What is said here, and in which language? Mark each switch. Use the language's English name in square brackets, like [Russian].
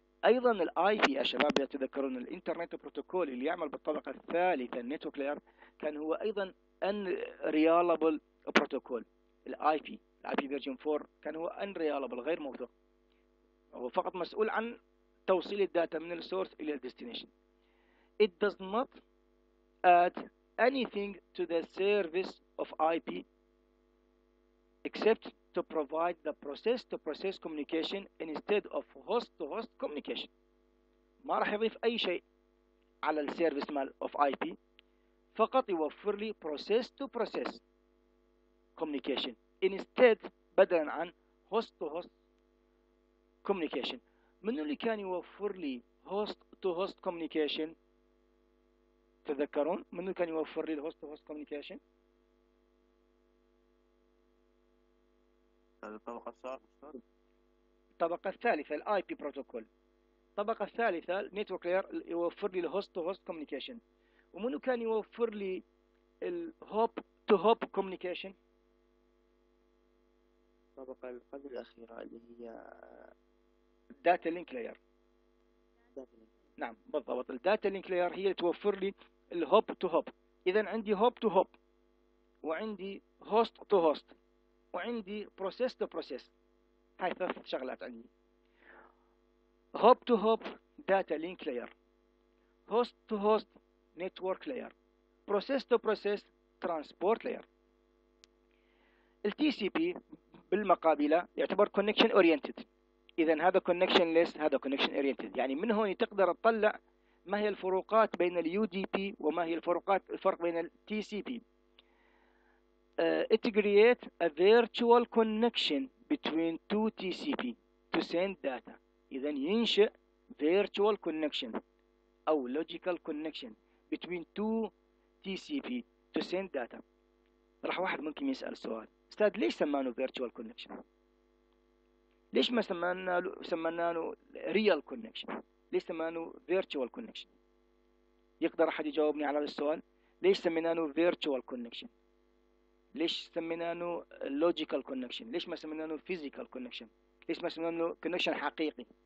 [Arabic] ايضا الاي بي يا شباب اذا تذكرون الانترنت بروتوكول اللي يعمل بالطبقه الثالثه النتورك لاير كان هو ايضا انريالابل بروتوكول. الاي بي الاي بي فيرجن 4 كان هو انريالابل غير موثوق، هو فقط مسؤول عن توصيل الداتا من السورس الى الديستنيشن. [English] It does not add anything to the service of IP except to provide the process to process communication instead of host to host communication. [Arabic] ما راح يضيف اي شيء على السيرفيس مال اوف اي بي، فقط يوفر لي [English] process to process communication instead [Arabic] بدلا عن [English] host to host communication. [Arabic] منو اللي كان يوفر لي [English] host to host communication؟ [Arabic] تذكرون منو كان يوفر لي host to host communication؟ الطبقة الثالثة الـ IP protocol. الطبقة الثالثة الـ network layer يوفر لي [English] host to host communication. [Arabic] ومنو كان يوفر لي الـ [English] hop to hop communication؟ [Arabic] الطبقة القدر الأخيرة اللي هي [English] data link layer. [Arabic] نعم بالضبط، الـ data link layer هي اللي توفر لي الـ hop to hop. إذا عندي [English] hop to hop، [Arabic] وعندي [English] host to host، [Arabic] وعندي [English] process to process، [Arabic] هاي ثلاث شغلات عندي. [English] hop to hop data link layer، host to host network layer، process to process transport layer. [Arabic] ال TCP بالمقابلة يعتبر connection oriented، إذا هذا connection less هذا connection oriented. يعني من هون تقدر تطلع ما هي الفروقات بين ال UDP وما هي الفروقات، الفرق بين ال TCP. [English] It creates a virtual connection between two TCP to send data. [Arabic] إذن ينشئ [English] virtual connection [Arabic] أو [English] logical connection between two TCP to send data. [Arabic] راح واحد ممكن يسأل سؤال، أستاذ ليش سمانه [English] virtual connection؟ [Arabic] ليش ما سمانه [English] real connection؟ [Arabic] ليش سمانه virtual connection؟ يقدر أحد يجاوبني على هذا السؤال؟ ليش سمينانه virtual connection؟ ليش سميناهو [English] logical connection؟ [Arabic] ليش ما سميناهو [English] physical connection؟ [Arabic] ليش ما سميناهو connection حقيقي؟